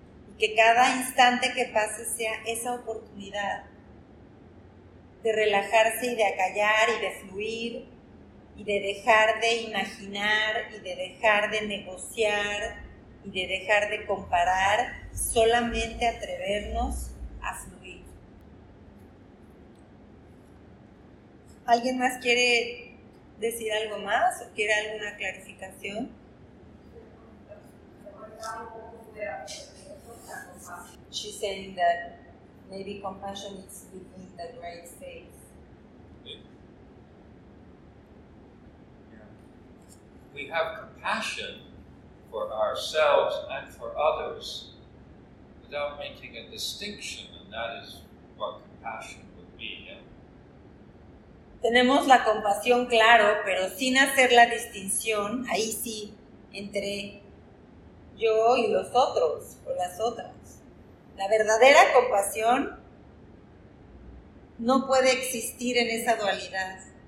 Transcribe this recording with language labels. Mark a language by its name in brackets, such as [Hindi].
[Spanish] Y que cada instante que pase sea esa oportunidad de relajarse y de acallar y de fluir y de dejar de imaginar y de dejar de negociar y de dejar de comparar, solamente atrevernos a fluir. ¿Alguien más quiere decir algo más o quiere alguna clarificación? [English] She's saying that maybe compassion is within the great space. We have compassion for ourselves and for others without making a distinction, and that is what compassion would be. [Spanish] Tenemos la compasión, claro, pero sin hacer la distinción, ahí sí, entre yo y los otros o las otras. La verdadera compasión no puede existir en esa dualidad.